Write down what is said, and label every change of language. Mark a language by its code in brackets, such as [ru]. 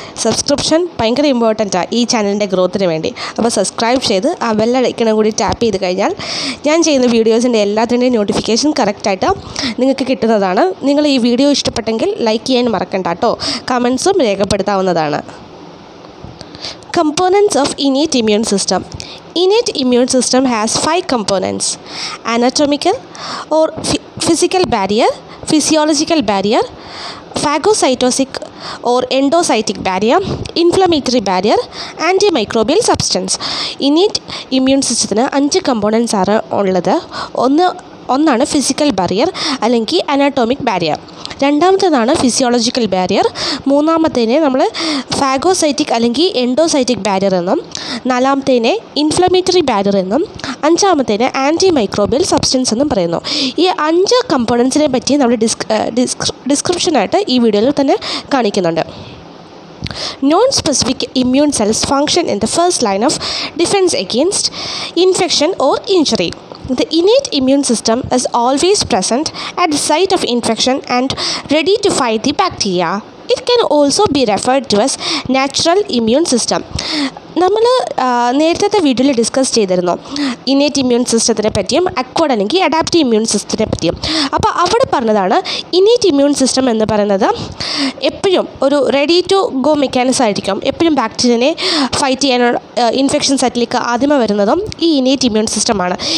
[ml] Subscription ഭയങ്കര important ആണ് ഈ ചാനലിൻ്റെ ഗ്രോത്തിന് വേണ്ടി. അപ്പോൾ സബ്സ്ക്രൈബ് ചെയ്ത് ആ ബെല്ലടയ്ക്കണ കൂടി ടാപ്പ് ചെയ്ത് കഴിഞ്ഞാൽ ഞാൻ ചെയ്യുന്ന വീഡിയോസിൻ്റെ എല്ലാത്തിൻ്റെയും നോട്ടിഫിക്കേഷൻ കറക്റ്റായിട്ട് നിങ്ങൾക്ക് കിട്ടുന്നതാണ്. നിങ്ങൾ ഈ വീഡിയോ ഇഷ്ടപ്പെട്ടെങ്കിൽ ലൈക്ക് ചെയ്യാൻ മറക്കണ്ട കേട്ടോ. കമൻസും രേഖപ്പെടുത്താവുന്നതാണ്. [en] Components of innate immune system. Innate immune system has five components: anatomical or physical barrier, physiological barrier, phagocytosis or endocytic barrier, inflammatory barrier, antimicrobial substance. [ml] Innate immune system ത്തിന് അഞ്ച് components ആണ് ഉള്ളത്. ഒന്നാണ് ഫിസിക്കൽ ബാരിയർ അല്ലെങ്കിൽ അനാറ്റോമിക് barrier, രണ്ടാമത്തേതാണ് physiological barrier, മൂന്നാമത്തേനെ നമ്മൾ phagocytic അല്ലെങ്കിൽ endocytic barrier എന്നും, നാലാമത്തേനെ inflammatory barrier എന്നും, അഞ്ചാമത്തേനെ ആൻറ്റി മൈക്രോബിയൽ സബ്സ്റ്റൻസ് എന്നും പറയുന്നു. ഈ അഞ്ച് കമ്പോണൻസിനെ പറ്റി നമ്മൾ ഡിസ്ക്രിപ്ഷനായിട്ട് ഈ വീഡിയോയിൽ തന്നെ കാണിക്കുന്നുണ്ട്. [en] Non specific immune cells function in the first line of defence against infection or injury. The innate immune system is always present at the site of infection and ready to fight the bacteria. It can also be referred to as natural immune system. [ml] നമ്മൾ നേരത്തെ വീഡിയോയിൽ discuss ചെയ്തിരുന്നു innate immune സിസ്റ്റത്തിനെ പറ്റിയും അക്വാർഡ് അല്ലെങ്കിൽ adaptive immune സിസ്റ്റത്തിനെ പറ്റിയും. അപ്പോൾ അവിടെ പറഞ്ഞതാണ് ഇന്നേറ്റ് ഇമ്മ്യൂൺ സിസ്റ്റം എന്ന് പറയുന്നത് എപ്പോഴും ഒരു [en] ready to go [ml] മെക്കാനിസം ആയിരിക്കും. എപ്പോഴും ബാക്ടീരിയനെ ഫൈറ്റ് ചെയ്യാനുള്ള ഇൻഫെക്ഷൻ സെറ്റിലേക്ക് ആദ്യമേ വരുന്നതും ഈ ഇന്നേറ്റ് ഇമ്മ്യൂൺ സിസ്റ്റമാണ്.